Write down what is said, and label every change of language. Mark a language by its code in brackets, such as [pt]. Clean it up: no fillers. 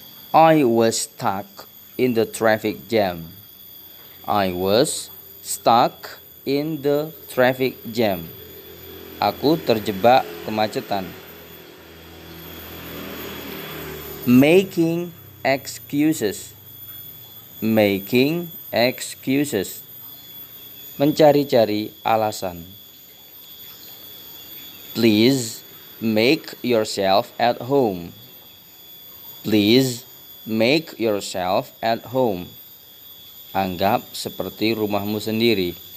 [en] I was stuck in the traffic jam. I was stuck in the traffic jam. [id] Aku terjebak kemacetan. [en] Making excuses. Making excuses. [id] Mencari-cari alasan. [en] Please make yourself at home. Please make yourself at home. [id] Anggap seperti rumahmu sendiri.